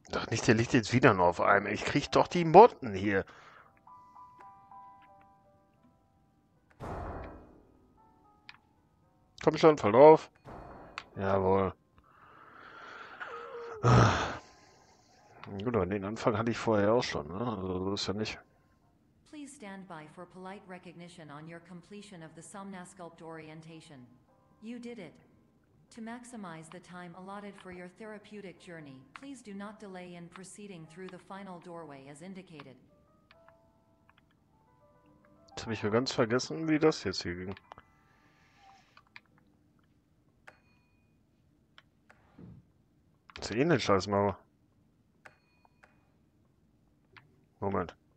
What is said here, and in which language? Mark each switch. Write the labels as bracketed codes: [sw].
[de] Nicht, der liegt jetzt wieder nur auf einem. Ich krieg doch die Motten hier. Komm schon, fall drauf. Jawohl. Gut, aber den Anfang hatte ich vorher auch schon, ne? Also, das ist ja nicht. [en] Please stand by for polite recognition on your completion of the Somnasculpt orientation. You did it. To maximize the time allotted for your therapeutic journey, please do not delay in proceeding through the final doorway as indicated. [de] Jetzt habe ich ja ganz vergessen, wie das jetzt hier ging. Ist ja eh nicht scheiß Mauer. Moment.